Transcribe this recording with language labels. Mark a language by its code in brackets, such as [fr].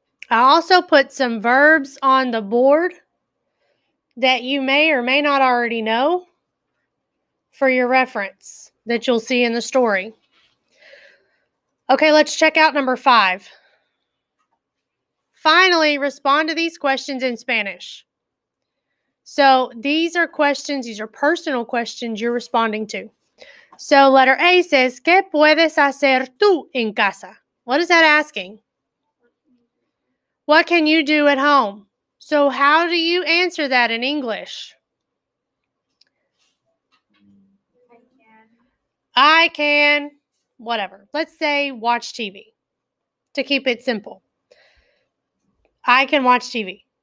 [en] Also put some verbs on the board that you may or may not already know for your reference that you'll see in the story. Okay, let's check out number five. Finally, respond to these questions in Spanish. So these are questions, these are personal questions you're responding to. So letter A says, [es] ¿qué puedes hacer tú en casa? [en] What is that asking? What can you do at home? So how do you answer that in English? I can, whatever. Let's say watch TV to keep it simple. I can watch TV.